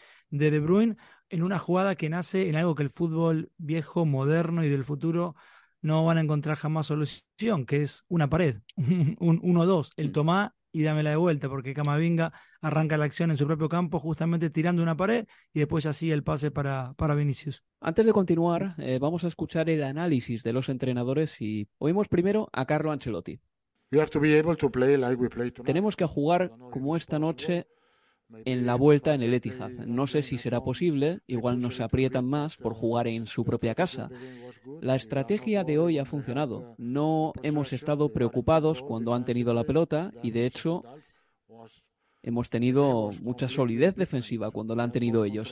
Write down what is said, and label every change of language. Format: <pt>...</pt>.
<es>de Bruyne, en una jugada que nace en algo que el fútbol viejo, moderno y del futuro no van a encontrar jamás solución, que es una pared, un 1-2, el tomá y dámela de vuelta, porque Camavinga arranca la acción en su propio campo, justamente tirando una pared y después así el pase para Vinicius. Antes de continuar, vamos a escuchar el análisis de los entrenadores y oímos primero a Carlo Ancelotti.</es> <en>You have to be able to play like we play tonight.</en> <es>Tenemos que jugar como esta noche en la vuelta en el Etihad. No sé si será posible, igual nos aprietan más por jugar en su propia casa. La estrategia de hoy ha funcionado. No hemos estado preocupados cuando han tenido la pelota y, de hecho, hemos tenido mucha solidez defensiva cuando la han tenido ellos.</es>